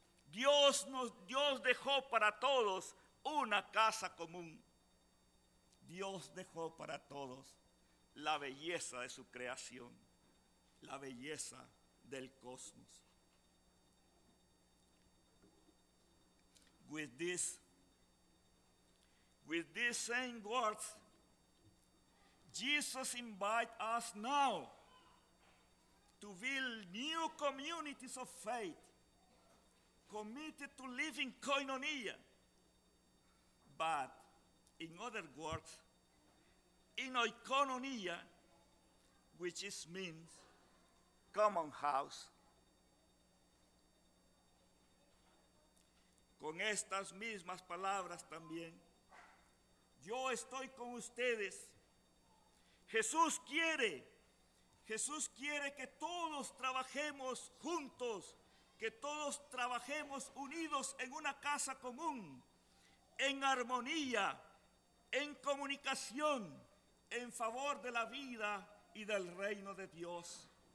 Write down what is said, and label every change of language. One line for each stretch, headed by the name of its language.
Spanish: Dios dejó para todos una casa común. Dios dejó para todos la belleza de su creación, la belleza del cosmos.
English: With this same words, Jesus invites us now to build new communities of faith committed to living koinonia. But in other words, in oikononia, which is means common house.
Spanish: Con estas mismas palabras también, yo estoy con ustedes. Jesús quiere que todos trabajemos juntos, que todos trabajemos unidos en una casa común, en armonía, en comunicación, en favor de la vida y del reino de Dios.